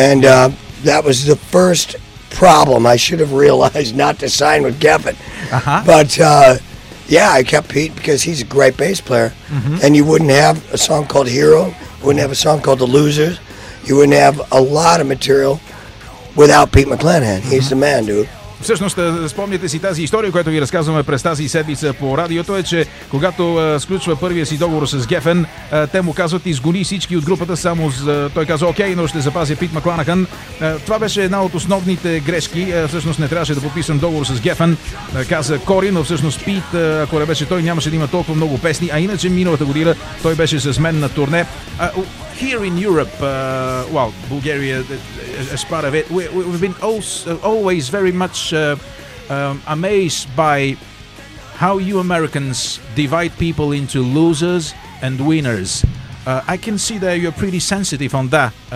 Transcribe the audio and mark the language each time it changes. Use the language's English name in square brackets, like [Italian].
[English] And that was the first problem. I should have realized not to sign with Geffen. Uh-huh. But yeah, I kept Pete because he's a great bass player. Mm-hmm. And you wouldn't have a song called Hero, wouldn't have a song called The Losers. You wouldn't have a lot of material without Pete McClanahan. Mm-hmm. He's the man, dude. [Bulgarian] Всъщност, спомняте си тази история, която ви разказваме през тази седмица по радиото, е, че когато сключва първия си договор с Geffen, те му казват, изгони всички от групата, само той каза, окей, но ще запазя Пит Макланахан. Това беше една от основните грешки. Всъщност, не трябваше да подписвам договор с Geffen, каза Кори, но всъщност Пит, ако не беше той, нямаше да има толкова много песни, а иначе миналата година той беше с мен на турне. [English] Here in Europe, well, Bulgaria as part of it, we've been always very much amazed by how you Americans divide people into losers and winners. I can see that you're pretty sensitive on that.